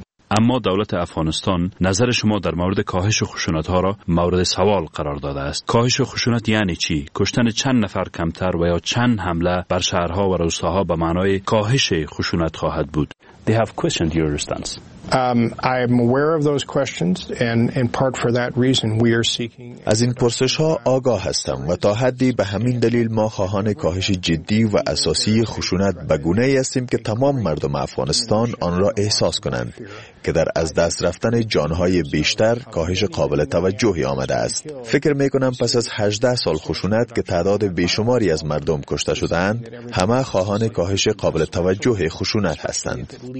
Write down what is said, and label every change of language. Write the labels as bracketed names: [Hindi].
[Persian] اما دولت افغانستان نظر شما در مورد کاهش خشونت‌ها را مورد سوال قرار داده است. کاهش خشونت یعنی چی؟ کشتن چند نفر کمتر و یا چند حمله بر شهرها و روستاها به معنای کاهش خشونت خواهد بود؟ [English] They have questioned your response. I am aware of those questions and in part for that reason we are seeking. [Persian] از این پرسش‌ها آگاه هستم و تا حدی به همین دلیل ما خواهان کاهش جدی و اساسی خشونت به گونه‌ای هستیم که تمام مردم افغانستان آن را احساس کنند که در از دست رفتن جان‌های بیشتر کاهش قابل توجهی آمده است. فکر می‌کنم پس از 18 سال خشونت که تعداد بیشماری از مردم کشته شدند، همه خواهان کاهش قابل توجه خشونت هستند.